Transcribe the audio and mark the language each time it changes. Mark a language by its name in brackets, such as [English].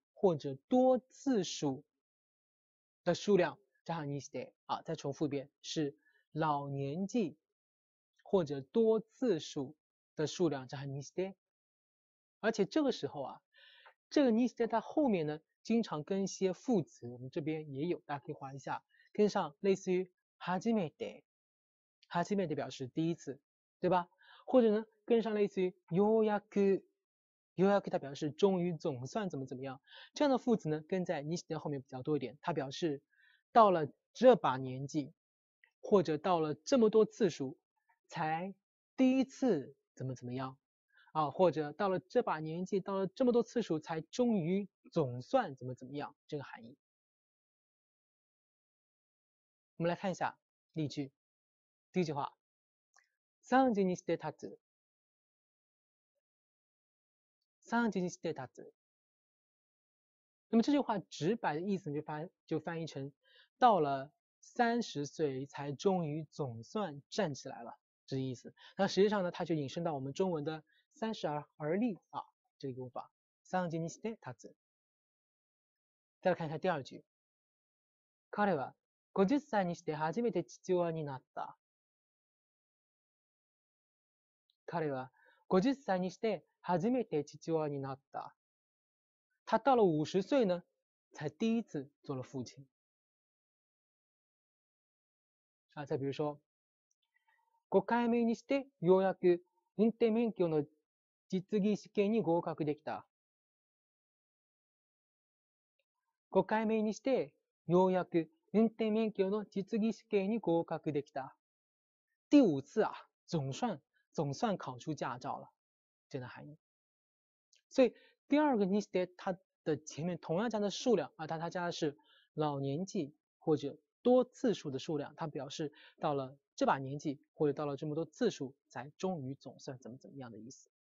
[Chinese] 或者多次数的数量加上にして啊，再重复一遍，是老年纪或者多次数的数量加上にして。而且这个时候啊，这个にして它后面呢经常跟一些副词，我们这边也有，大家可以划一下，跟上类似于初めて，初めて表示第一次，对吧？或者呢跟上类似于ようやく。又要给它表示终于总算怎么怎么样，这样的副词呢跟在にして后面比较多一点，它表示到了这把年纪或者到了这么多次数才第一次怎么怎么样啊，或者到了这把年纪到了这么多次数才终于总算怎么怎么样，这个含义。我们来看一下例句。第一句话， [Japanese] 三十にして立つ。三十にして立つ。 [Chinese] 那么这句话直白的意思就翻译成到了三十岁才终于总算站起来了，这个意思。那实际上呢，它就引申到我们中文的三十而立啊，这个用法。 [Japanese] 三十にして立つ。 [Chinese] 再来看一下第二句。 [Japanese] 彼は50歳にして初めて父親になった。彼は50歳にして初めて父親になった。 [Chinese] 他到了50岁呢才第一次做了父亲。啊，再比如说。 [Japanese] 5回目にしてようやく運転免許の実技試験に合格できた。 5回目にしてようやく運転免許の実技試験に合格できた。 [Chinese] 第五次啊，总算考出驾照了。真的含义。所以第二个にして它的前面同样加的数量啊，但它加的是老年纪或者多次数的数量，它表示到了这把年纪或者到了这么多次数才终于总算怎么怎么样的意思。